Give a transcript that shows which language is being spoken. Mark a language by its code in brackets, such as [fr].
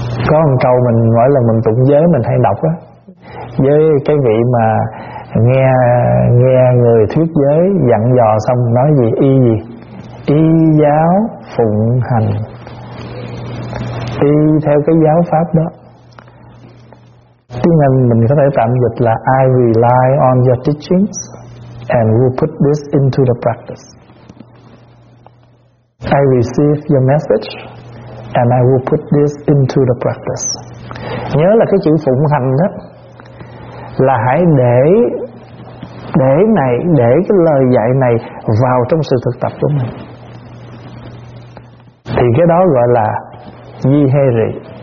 [vi] Có một câu mình mỗi lần mình tụng giới mình hay đọc á, với cái vị mà nghe người thuyết giới dặn dò xong nói gì, y gì, y giáo phụng hành, y theo cái giáo pháp đó. Tiếng Anh mình có thể tạm dịch là [en] I rely on your teachings and will put this into the practice. I receive your message and I will put this into the practice. [vi] Nhớ là cái chữ phụng hành đó, là hãy để này, để cái lời dạy này vào trong sự thực tập của mình. Thì cái đó gọi là Di Hê Rị.